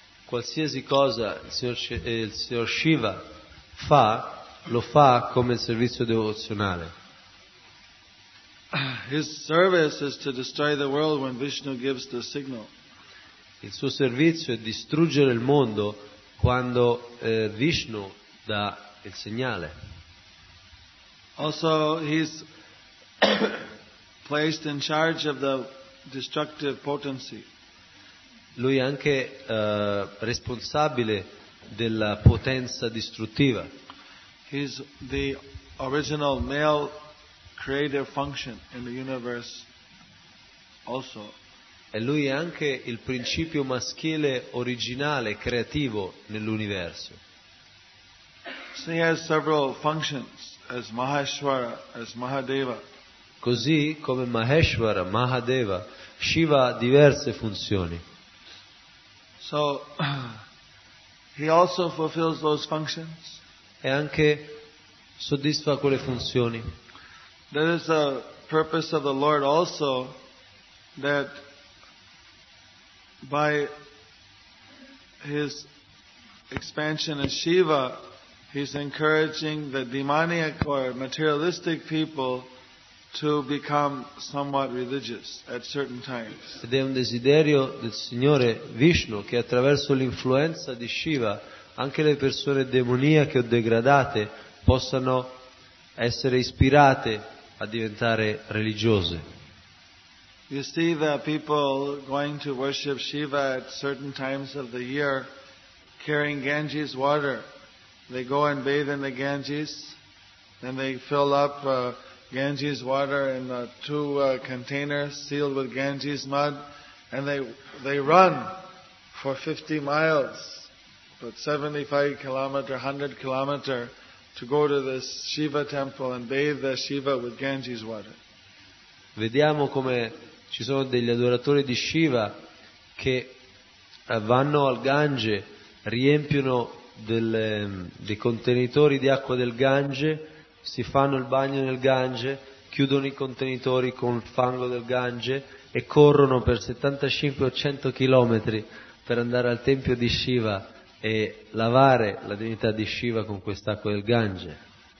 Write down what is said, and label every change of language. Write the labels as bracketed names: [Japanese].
[Italian] Qualsiasi cosa il signor Shiva fa, lo fa come servizio devozionale. [English] His service is to destroy the world when Vishnu gives the signal. [Italian] Il suo servizio è distruggere il mondo quando Vishnu dà il segnale. [English] Also, he's placed in charge of the destructive potency. [Italian] Lui è anche responsabile della potenza distruttiva. [English] He's the original male creative function in the universe also. [Italian] E lui è anche il principio maschile originale creativo nell'universo. [English] So he has several functions as Maheshwara, as Mahadeva. [Italian] Così come Maheshwara, Mahadeva, Shiva ha diverse funzioni. [English] So he also fulfills those functions. [Italian] E anche soddisfa quelle funzioni. [English] That is the purpose of the Lord also, that by his expansion as Shiva, he's encouraging the demoniac or materialistic people to become somewhat religious at certain times. [Italian] Ed è un desiderio del Signore Vishnu che attraverso l'influenza di Shiva anche le persone demoniache o degradate possano essere ispirate a diventare religiose. [English] You see the people going to worship Shiva at certain times of the year carrying Ganges water. They go and bathe in the Ganges, then they fill up Ganges water in two containers sealed with Ganges mud, and they run for 50 miles, but 75 kilometers, 100 kilometers, to go to this Shiva temple and bathe the Shiva with Ganges water. [Italian] Vediamo come ci sono degli adoratori di Shiva che vanno al Gange, riempiono dei contenitori di acqua del Gange, si fanno il bagno nel Gange, chiudono i contenitori con il fango del Gange e corrono per 75 o 100 chilometri per andare al tempio di Shiva e lavare la divinità di Shiva con quest'acqua del Gange.